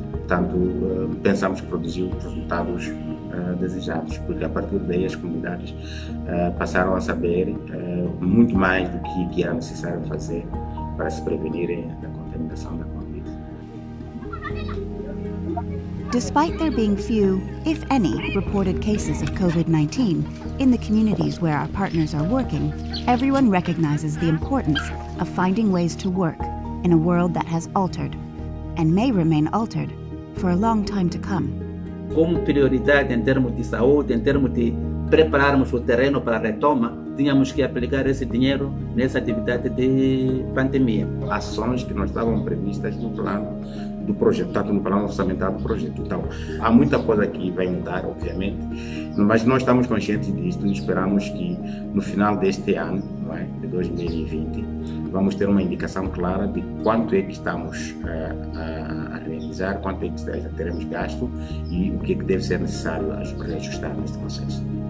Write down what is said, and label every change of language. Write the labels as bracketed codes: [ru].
[pt] Portanto, pensamos que produziu resultados desejados, porque a partir daí as comunidades passaram a saber muito mais do que era necessário fazer para se prevenirem da contaminação da Covid. [en] Despite there being few, if any, reported cases of COVID-19 in the communities where our partners are working, everyone recognizes the importance of finding ways to work in a world that has altered and may remain altered for a long time to come. [pt] Como prioridade em termos de saúde, em termos de prepararmos o terreno para a retoma, tínhamos que aplicar esse dinheiro nessa atividade de pandemia. Ações que não estavam previstas no plano do projeto, tanto no plano orçamental do projeto. Então, há muita coisa que vai mudar, obviamente, mas nós estamos conscientes disto e esperamos que no final deste ano, não é, de 2020, vamos ter uma indicação clara de quanto é que estamos a realizar, quanto é que teremos gasto e o que é que deve ser necessário a reajustar neste processo.